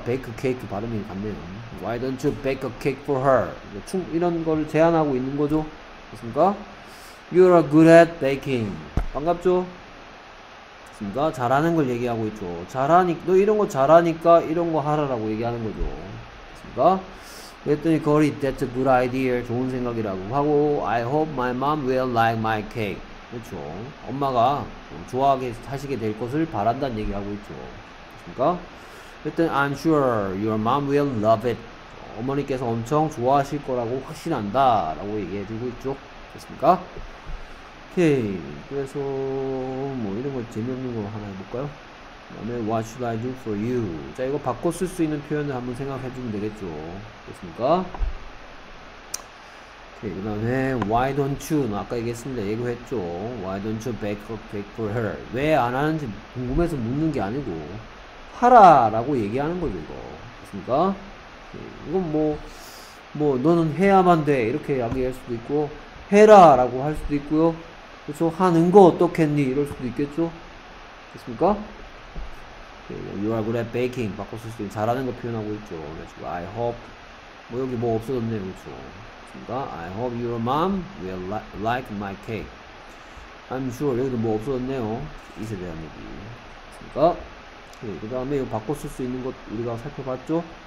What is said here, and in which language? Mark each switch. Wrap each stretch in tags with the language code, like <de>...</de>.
<en>bake a cake</en> <ko>발음이 같네요.</ko> <en>Why don't you bake a cake for her?</en> <ko>이런 거를 제안하고 있는 거죠. 그렇습니까?</ko> <en>You're good at baking.</en> <ko>반갑죠? 그렇습니까? 잘하는 걸 얘기하고 있죠. 너 이런 거 잘하니까 이런 거 하라라고 얘기하는 거죠. 그렇습니까? 그랬더니 거리</ko> <en>that's a good idea.</en> <ko>좋은 생각이라고 하고</ko> <en>I hope my mom will like my cake. 그렇죠.</en> <ko>엄마가 좋아하게 하시게 될 것을 바란다는 얘기하고 있죠. 그렇습니까? 그랬더니</ko> <en>I'm sure your mom will love it.</en> <ko>어머니께서 엄청 좋아하실 거라고 확신한다 라고 얘기해주고 있죠. 그렇습니까? 오케이. 그래서 뭐 이런 거 재미없는 거 하나 해볼까요? 그 다음에</ko> <en>What should I do for you?</en> <ko>자, 이거 바꿔 쓸 수 있는 표현을 한번 생각해주면 되겠죠. 그렇습니까? 오케이. 그 다음에</ko> <en>why don't you</en> <ko>아까 얘기했습니다. 예고했죠.</ko> <en>why don't you bake a cake for her?</en> <ko>왜 안 하는지 궁금해서 묻는 게 아니고 하라 라고 얘기하는 거죠. 이거 됐습니까? 이건 뭐 너는 해야만 돼 이렇게 이야기할 수도 있고 해라 라고 할 수도 있고요. 그래서 하는 거 어떻겠니 이럴 수도 있겠죠. 됐습니까?</ko> <en>you are good at baking</en> <ko>바꿔 쓸 수 있는 잘하는 거 표현하고 있죠. 그래서 I hope 뭐 여기 뭐 없어졌네요. 그렇죠.</ko> <en>I hope your mom will like my cake.</en> <ko>I'm sure 여기도 뭐 없어졌네요. 이세 대한 얘기. 그러니까 그 다음에 이거 바꿔 쓸 수 있는 것 우리가 살펴봤죠.</ko>